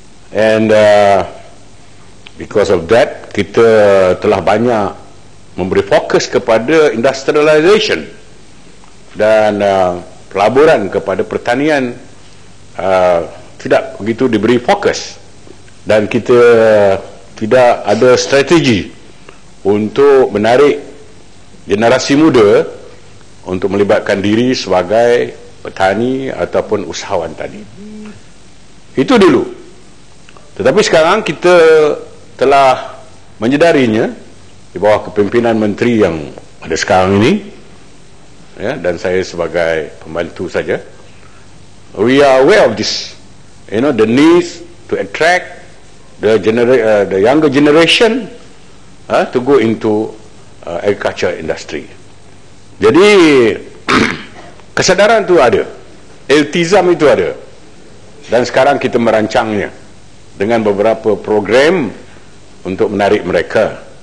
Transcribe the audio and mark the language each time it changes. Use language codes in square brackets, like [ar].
[en] And because of that, [ms] kita telah banyak memberi fokus kepada industrialization dan pelaburan kepada pertanian tidak begitu diberi fokus, dan kita tidak ada strategi untuk menarik generasi muda untuk melibatkan diri sebagai petani ataupun usahawan tani. Itu dulu. Tetapi sekarang kita telah menyedarinya di bawah kepimpinan menteri yang ada sekarang ini, ya, dan saya sebagai pembantu saja. [en] We are aware of this, you know, the needs to attract the younger generation to go into agriculture industry. [ms] Jadi kesedaran itu ada, iltizam itu ada, dan sekarang kita merancangnya dengan beberapa program untuk menarik mereka.